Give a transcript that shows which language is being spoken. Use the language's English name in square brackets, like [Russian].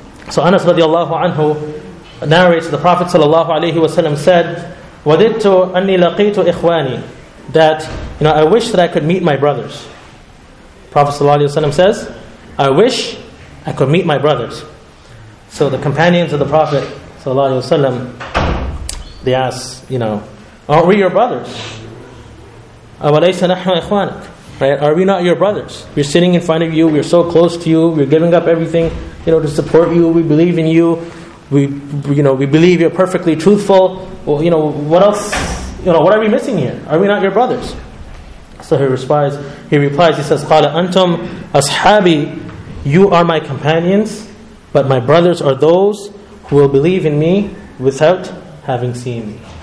[English] So Anas radiallahu anhu narrates, the Prophet ﷺ said, [Arabic] "Waditu anni laqitu ikhwani," [English] that, you know, "I wish that I could meet my brothers." Prophet ﷺ says, "I wish I could meet my brothers." So the companions of the Prophet ﷺ, they ask, you know, "Aren't we your brothers? [Arabic] أَوَلَيْسَ نَحْنَ إِخْوَانَكَ," [English] right? "Are we not your brothers? We're sitting in front of you, we're so close to you, we're giving up everything, you know, to support you, we believe in you, we believe you're perfectly truthful. Well, you know, what else? You know, what are we missing here? Are we not your brothers?" So he says, [Arabic] "Qala antum ashabi," [English] you are my companions, "but my brothers are those who will believe in me without having seen me."